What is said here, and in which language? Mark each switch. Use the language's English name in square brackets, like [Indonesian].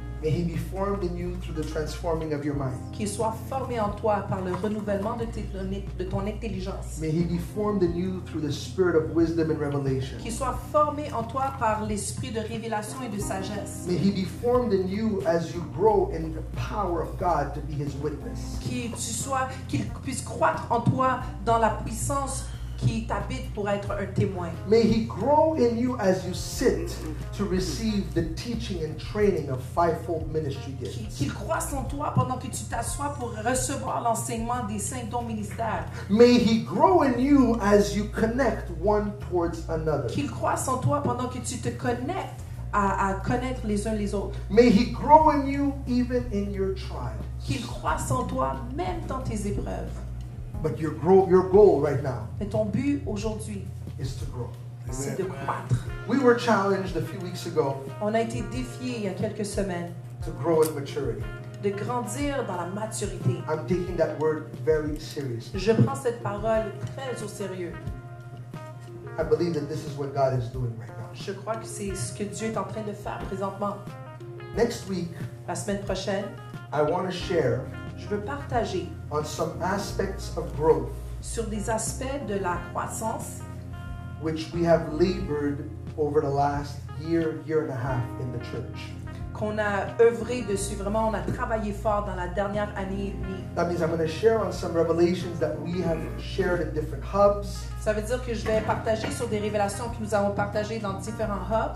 [English] May He be formed in you through the transforming of your mind. [French] Qu'il soit formé en toi par le renouvellement de ton intelligence. [English] May He be formed in you through the spirit of wisdom and revelation. [French] Qu'il soit formé en toi par l'esprit de révélation et de sagesse. [English] May He be formed in you as you grow in the power of God to be His witness. [French] Qu'il puisse croître en toi dans la puissance qui t'habite pour être un témoin. [English] May He grow in you as you sit to receive the teaching and training of fivefold ministry gifts. [French] Qu'il croisse en toi pendant que tu t'assois pour recevoir l'enseignement des cinq dons ministères. [English] May He grow in you as you connect one towards another. [French] Qu'il croisse en toi pendant que tu te connectes à connaître les uns les autres. [English] May He grow in you even in your trials. [French] Qu'il croisse en toi même dans tes épreuves. [English] But your goal right now. [French] Mais ton but aujourd'hui. [English] Is to grow. [French] C'est de croître. [English] We were challenged a few weeks ago. [French] On a été défiés il y a quelques semaines. [English] To grow in maturity. [French] De grandir dans la maturité. [English] I'm taking that word very seriously. [French] Je prends cette parole très au sérieux. [English] I believe that this is what God is doing right now. [French] Je crois que c'est ce que Dieu est en train de faire présentement. [English] Next week. [French] La semaine prochaine. [English] I want to share. [French] Je veux partager [English] on some aspects of growth [French] sur des aspects de la croissance [English] which we have labored over the last year and a half in the church. [French] Qu'on a œuvré dessus, vraiment on a travaillé fort dans la dernière année et demie. [English] That means I'm going to share on some revelations that we have shared in different hubs. [French] Ça veut dire que je vais partager sur des révélations que nous avons partagées dans différents hubs.